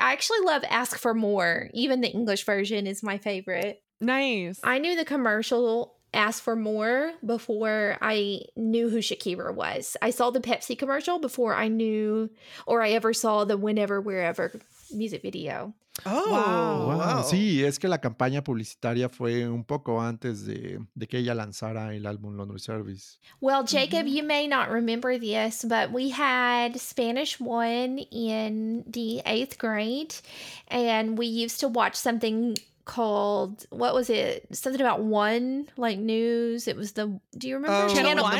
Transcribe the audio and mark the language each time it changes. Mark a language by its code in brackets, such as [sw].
[en] I actually love Ask for More. Even the English version is my favorite. Nice. I knew the commercial Ask for More before I knew who Shakira was. I saw the Pepsi commercial before I knew or I ever saw the Whenever, Wherever music video. Oh, wow. [es] Sí, es que la campaña publicitaria fue un poco antes de que ella lanzara el álbum Laundry Service. [en] Well, Jacob, you may not remember this, but we had Spanish 1 in the 8th grade, and we used to watch something called, what was it? Something about one, like news. It was the, do you remember? Oh, Channel One.